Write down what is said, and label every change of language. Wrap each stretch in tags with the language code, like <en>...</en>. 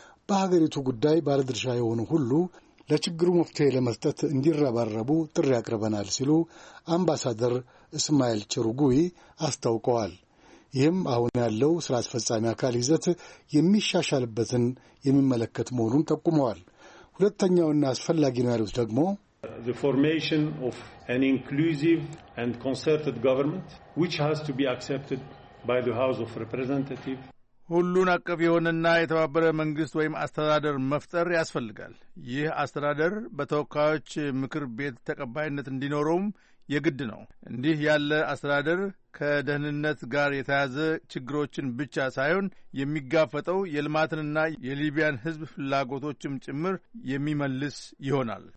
<am>በሀገሪቱ ጉዳይ ባለድርሻ የሆኑ ሁሉ ለችግሩ መፍትሄ ለመስጠት እንዲረባረቡ ጥሪ አቅርበናል ሲሉ አምባሳደር እስማኤል ቸሩጉዊ አስታውቀዋል። ይህም አሁን ያለው ስራ አስፈጻሚ አካል ይዘት የሚሻሻልበትን የሚመለከት መሆኑን ጠቁመዋል። ሁለተኛውና አስፈላጊ ነው ያሉት ደግሞ</am> <en>the formation of an inclusive and concerted government which has to be accepted by the House of Representatives.</en> <am>ሁሉን አቀፍ የሆነና የተባበረ መንግስት ወይም አስተዳደር መፍጠር ያስፈልጋል። ይህ አስተዳደር በተወካዮች ምክር ቤት ተቀባይነት እንዲኖረውም የግድ ነው። እንዲህ ያለ አስተዳደር ከደህንነት ጋር የተያዘ ችግሮችን ብቻ ሳይሆን የሚጋፈጠው የልማትንና የሊቢያን ህዝብ ፍላጎቶችም ጭምር የሚመልስ ይሆናል።</am>